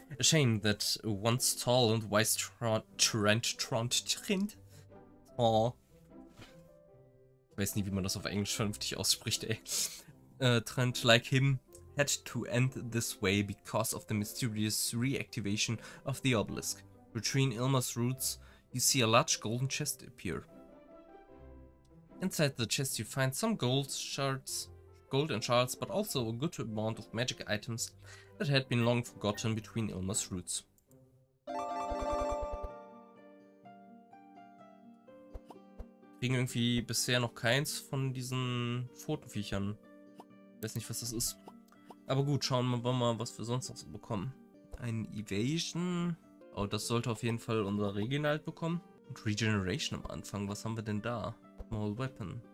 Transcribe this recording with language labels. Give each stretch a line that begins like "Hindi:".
English: A shame that once tall and wise Trent. Oh.
German: Weiß nie, wie man das auf Englisch vernünftig ausspricht, ey.
English: Trent, like him, had to end this way because of the mysterious reactivation of the obelisk. Between Ilmer's roots, you see a large golden chest appear. Inside the chest, you find some gold shards. Gold and shards, but also a good amount of magic items that had been long forgotten between Ilmer's roots.
German: Kriegen irgendwie bisher noch keins von diesen Pfotenviechern. Weiß nicht, was das ist. Aber gut, schauen wir mal, was wir sonst noch so bekommen. Ein Evasion. Oh, das sollte auf jeden Fall unser Regenhalt bekommen. Und Regeneration am Anfang. Was haben wir denn da? Small Weapon.